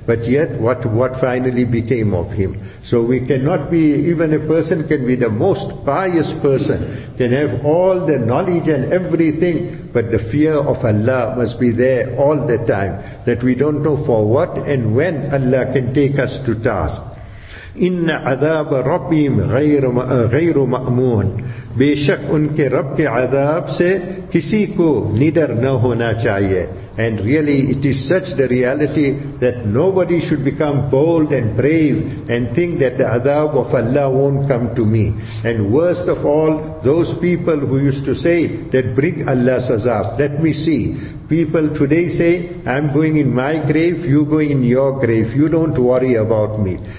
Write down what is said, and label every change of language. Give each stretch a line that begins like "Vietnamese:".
English: But yet, what finally became of him? So we cannot be, even a person can be the most pious person, can have all the knowledge and everything, but the fear of Allah must be there all the time, that we don't know for what and when Allah can take us to task.
Arabic: إِنَّ عَذَابَ رَبِّهِمْ غَيْرُ مَأْمُونَ
Urdu: بے شک ان کے رب کے عذاب سے کسی کو ندر نہ ہونا چاہیے.
English: And really, it is such the reality that nobody should become bold and brave and think that the adab of Allah won't come to me. And worst of all, those people who used to say that bring Allah's adab, let me see. People today say, I'm going in my grave, you going in your grave, you don't worry about me.